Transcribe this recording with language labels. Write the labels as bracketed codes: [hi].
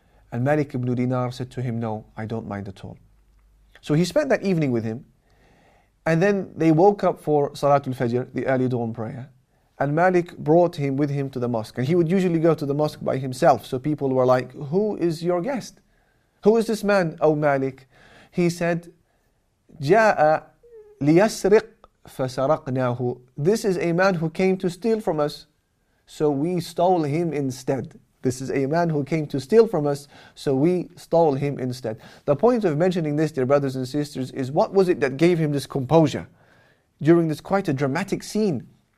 [en] And Malik ibn Dinar said to him, no, I don't mind at all. So he spent that evening with him. And then they woke up for Salatul Fajr, the early dawn prayer. And Malik brought him with him to the mosque. And he would usually go to the mosque by himself. So people were like, who is your guest? Who is this man, O Malik? [ar] He said, جَاءَ لِيَسْرِقْ فَسَرَقْنَاهُ. [en] This is a man who came to steal from us, so we stole him instead. This is a man who came to steal from us, so we stole him instead. The point of mentioning this, dear brothers and sisters, is what was it that gave him this composure during this quite a dramatic scene?